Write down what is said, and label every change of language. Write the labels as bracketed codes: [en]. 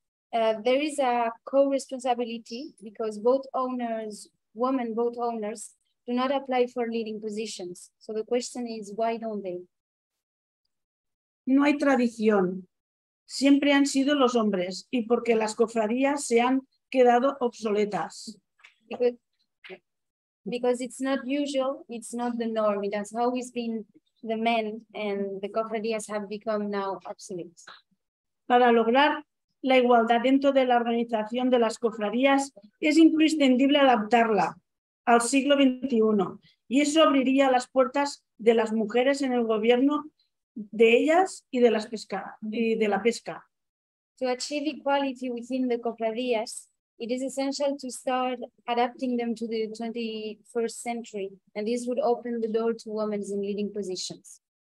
[en] There is a co-responsibility because boat owners, women boat owners, do not apply for leading positions. So the question is, why don't they? [es] No hay tradición. Siempre han sido los hombres y porque las cofradías se han quedado obsoletas. [en] Because it's not usual, it's not the norm. It has always been the men and the cofradías have become now obsolete. [es] Para lograr la igualdad dentro de la organización de las cofradías es imprescindible adaptarla al siglo XXI y eso abriría las puertas de las mujeres en el gobierno de ellas y de las pesca y de la pesca. [en] To achieve equality within the cofradías, it is essential to start adapting them to the 21st century, and this would open the door to women in leading positions.